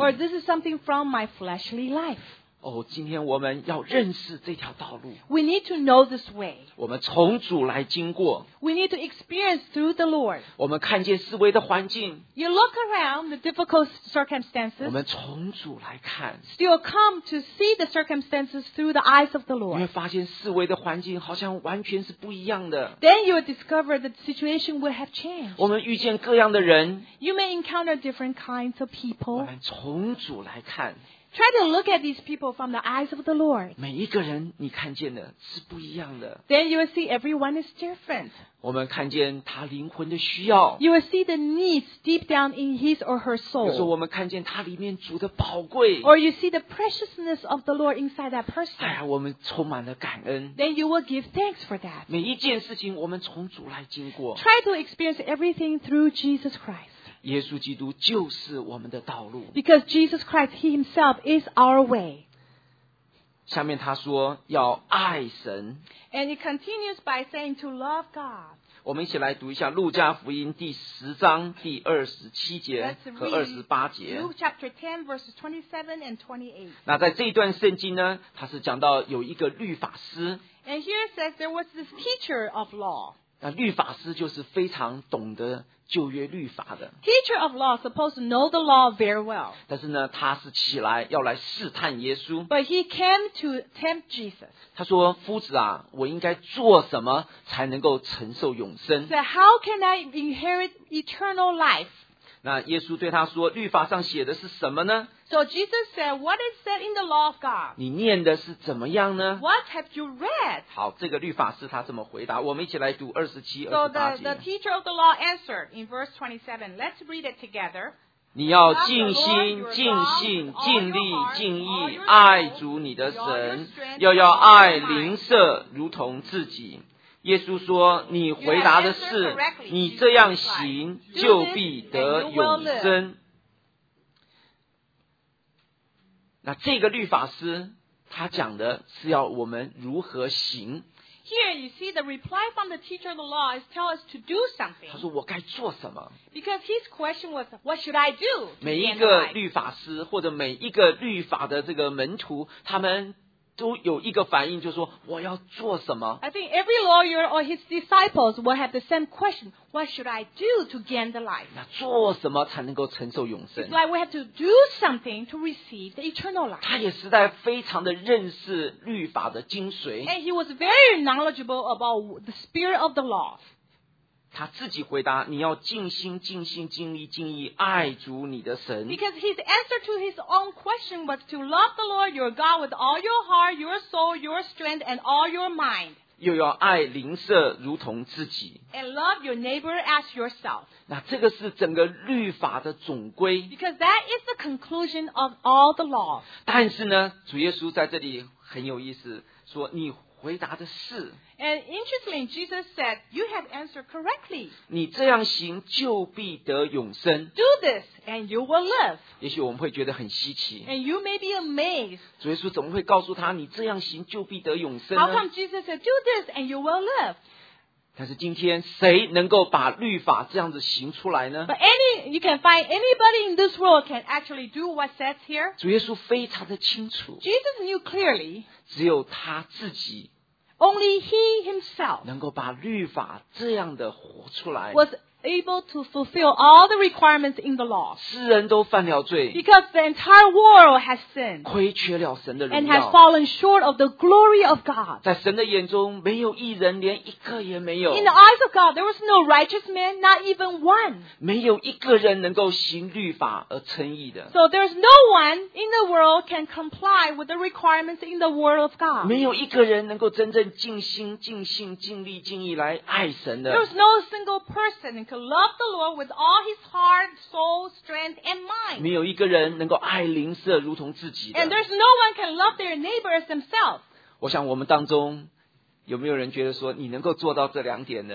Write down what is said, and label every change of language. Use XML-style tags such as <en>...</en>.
<en>Or this is something from my fleshly life.</en> <zh>哦，今天我们要认识这条道路。</zh> <en>We need to know this way.</en> <zh>我们从主来经过。</zh> <en>We need to experience through the Lord.</en> <zh>我们看见四围的环境。</zh> <en>You look around the difficult circumstances.</en> <zh>我们从主来看。</zh> <en>Still come to see the circumstances through the eyes of the Lord.</en> <zh>你会发现四围的环境好像完全是不一样的。</zh> <en>Then you will discover that the situation will have changed.</en> <zh>我们遇见各样的人。</zh> <en>You may encounter different kinds of people.</en> <zh>我们从主来看。</zh> <en>Try to look at these people from the eyes of the Lord.</en> <zh>每一个人你看见的是不一样的。</zh> <en>Then you will see everyone is different.</en> <zh>我们看见他灵魂的需要。</zh> <en>You will see the needs deep down in his or her soul.</en> <zh>有时候我们看见他里面主的宝贵。</zh> <en>Or you see the preciousness of the Lord inside that person.</en> <zh>哎呀，我们充满了感恩。</zh> <en>Then you will give thanks for that.</en> <zh>每一件事情我们从主来经过。</zh> <en>Try to experience everything through Jesus Christ.</en> <zh>耶稣基督就是我们的道路。</zh> <en>Because Jesus Christ, He Himself is our way.</en> <zh>下面他说要爱神。</zh> <en>And He continues by saying to love God.</en> <zh>我们一起来读一下路加福音第十章第二十七节和二十八节。</zh> <en>Luke chapter 10 verses 27 and 28.</en> <zh>那在这一段圣经呢，他是讲到有一个律法师。</zh> <en>And here it says there was this teacher of law.</en> <zh>那律法师就是非常懂得旧约律法的。</zh> <en>Teacher of law supposed to know the law very well.</en> <zh>但是呢，他是起来要来试探耶稣。</zh> <en>But he came to tempt Jesus.</en> <zh>他说：“夫子啊，我应该做什么才能够承受永生？”</zh> <en>So how can I inherit eternal life?</en> <zh>那耶稣对他说：“律法上写的是什么呢？”</zh> <en>So Jesus said, "What is said in the law of God?"</en> <zh>你念的是怎么样呢？</zh> <en>What have you read?</en> <zh>好，这个律法师他这么回答。我们一起来读二十七、二十八节。</zh> <en>So the teacher of the law answered in verse 27. Let's read it together.</en> <zh>你要尽心、尽性、尽力、尽意爱主你的神，又要爱邻舍如同自己。耶稣说你回答的是你这样行就必得永生那这个律法师他讲的是要我们如何行</zh> <en>Here you see the reply from the teacher of the law is tell us to do something</en> <zh>他说我该做什么</zh> <en>Because his question was what should I do</en> <zh>每一个律法师或者每一个律法的这个门徒他们都有一个反应就是说我要做什么</zh> <en>I think every lawyer or his disciples will have the same question What should I do to gain the life?</en> <zh>那做什么才能够承受永生</zh> <en>It's like we have to do something to receive the eternal life</en> <zh>他也实在非常的认识律法的精髓</zh> <en>And he was very knowledgeable about the spirit of the law</en> <zh>他自己回答你要尽心尽性尽力尽意爱主你的神</zh> <en>Because his answer to his own question was to love the Lord your God with all your heart, your soul, your strength, and all your mind</en> <zh>又要爱邻舍如同自己</zh> <en>and love your neighbor as yourself</en> <zh>那这个是整个律法的总归</zh> <en>because that is the conclusion of all the law</en> <zh>但是呢主耶稣在这里很有意思说你回答的是</zh> <en>and interestingly Jesus said you have answered correctly</en> <zh>你这样行就必得永生</zh> <en>do this and you will live</en> <zh>也许我们会觉得很稀奇</zh> <en>and you may be amazed</en> <zh>主耶稣怎么会告诉他你这样行就必得永生呢</zh> <en>how come Jesus said do this and you will live</en> <zh>但是今天谁能够把律法这样子行出来呢</zh> <en>but you can find anybody in this world can actually do what says here</en> <zh>主耶稣非常的清楚</zh> <en>Jesus knew clearly</en> <zh>只有他自己</zh> <en>Only he himself</en> <zh>能够把律法这样的活出来</zh> <en>was able to fulfill all the requirements in the law</en> <zh>世人都犯了罪</zh> <en>because the entire world has sinned</en> <zh>亏缺了神的荣耀</zh> <en>and has fallen short of the glory of God</en> <zh>在神的眼中没有一人连一个也没有</zh> <en>In the eyes of God there was no righteous man not even one</en> <zh>没有一个人能够行律法而称义的</zh> <en>So there's no one in the world can comply with the requirements in the word of God</en> <zh>没有一个人能够真正尽心尽性尽力尽意来爱神的</zh> <en>There's no single person could love the Lord with all his heart, soul, strength, and mind.</en> <zh>没有一个人能够爱邻舍如同自己的。</zh> <en>And there's no one can love their neighbor as themselves.</en> <zh>我想我们当中有没有人觉得说你能够做到这两点呢？</zh>